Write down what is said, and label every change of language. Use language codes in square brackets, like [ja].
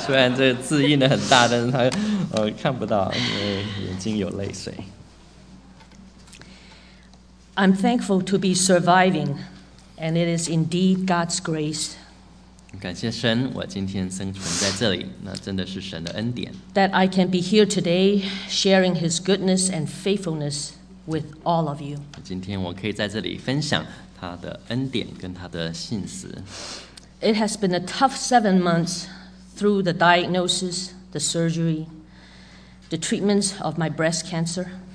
[zh] 虽然这字印的很大，但是他看不到，因为眼睛有泪水。 [en] I'm thankful to be surviving, and it is indeed God's grace. [zh] 感谢神，我今天生存在这里，那真的是神的恩典。 [en] That I can be here today, sharing His goodness and faithfulness with all of you. [zh] 今天我可以在这里分享他的恩典跟他的信实。 [en] It has been a tough 7 months through the diagnosis, the surgery, the treatments of my breast cancer.